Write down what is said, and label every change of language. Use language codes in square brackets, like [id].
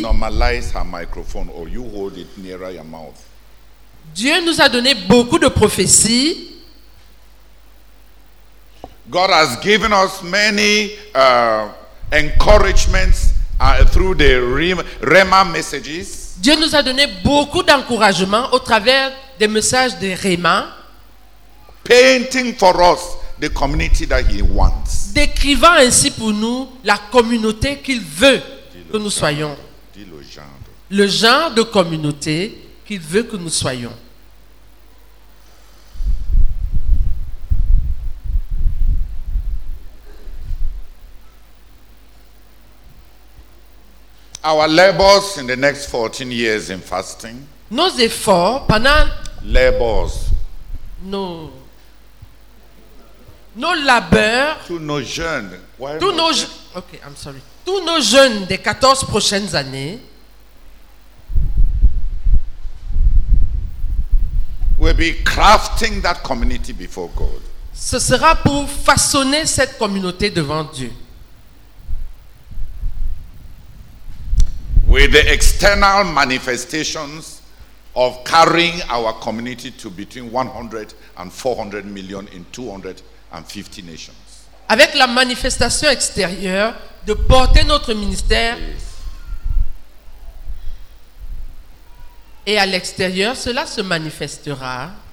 [en] Normalize her microphone or you hold it nearer your mouth. [fr] Dieu nous a donné beaucoup de prophéties. [en] God has given us many encouragements through the Rhema messages. [fr] Dieu nous a donné beaucoup d'encouragements au travers des messages de Rhema. [en] Painting for us the community that he wants. [fr] Décrivant ainsi pour nous la communauté qu'il veut que nous soyons. Le genre de communauté qu'il veut que nous soyons. [en] Our labors in the next 14 years in fasting. [fr] Nos efforts pendant [en] labors. [fr] Nos labeurs. Tous nos jeûnes des 14 prochaines années. [en] Will be crafting that community before God. [fr] Ce sera pour façonner cette communauté devant Dieu. [en] With the external manifestations of carrying our community to between 100 and 400 million in 250 nations. [fr] Avec la manifestation extérieure de porter notre ministère. Yes. Et à l'extérieur, cela se manifestera.